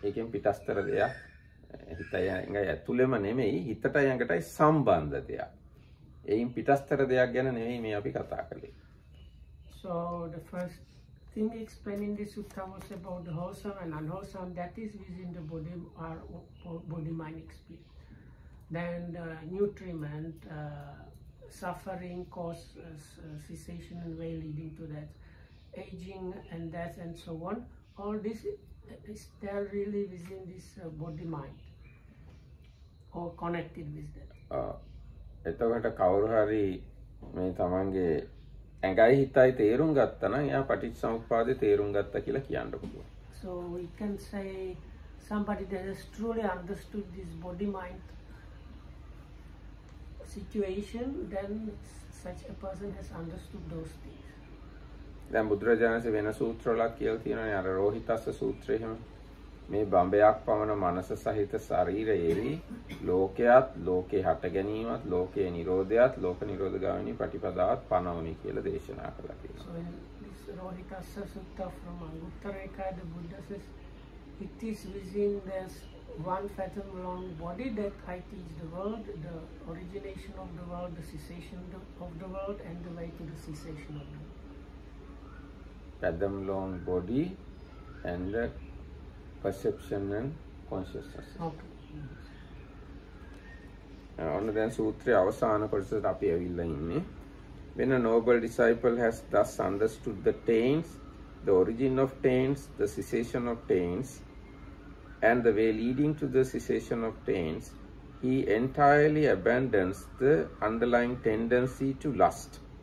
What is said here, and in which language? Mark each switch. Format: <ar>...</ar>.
<si>ඒකෙන් පිටස්තර දෙයක් හිතයි ඇඟයි ඇතුලේම නෙමෙයි හිතටයි ඇඟටයි සම්බන්ධ දෙයක්. එයින් පිටස්තර දෙයක් ගැන නෙමෙයි මේ අපි කතා කරන්නේ.</si> <en>So the first thing explaining this sutta was about the wholesome and unwholesome, that is within the body, our body mind experience. Then the nutriment, suffering, cause cessation and way leading to that, aging and death and so on, all this is there really within this body mind or connected with that.</en> <si>එතකොට කවුරු හරි මේ තමන්ගේ ඇඟයි හිතයි තේරුම් ගත්තා නම් එයා පටිච්චසමුප්පාදේ තේරුම් ගත්තා කියලා කියන්න පුළුවන්.</si> <en>So we can say somebody that has truly understood this body mind situation, then such a person has understood those things.</en> <si>දැන් බුදුරජාණන්සේ වෙන සූත්‍රලක් කියලා තියෙනවානේ අර රෝහිතස්ස සූත්‍රය හැම මේ බඹයක් පමණ මනස සහිත ශරීරයේ ලෝකයක් ලෝකේ හට ගැනීමත් ලෝකේ නිරෝධයත් ලෝක නිරෝධ ගාමිනී ප්‍රතිපදාවත් පනවමි කියලා දේශනා කළා කියලා.</si> <en>So this Rohitassa Sutta from Anguttareka, the Buddha says it is within this one fathom long body that I teach the world, the origination of the world, the cessation of the world and the way to the cessation of the world. Fathom long body and the perception and consciousness. Okay.</en> <si>ඔන්න දැන් සූත්‍රයේ අවසාන කොටසට අපි ඇවිල්ලා ඉන්නේ.</si> <en>When a noble disciple has thus understood the taints, the origin of taints, the cessation of taints, and the way leading to the cessation of taints, he entirely abandons the underlying tendency to lust.</en>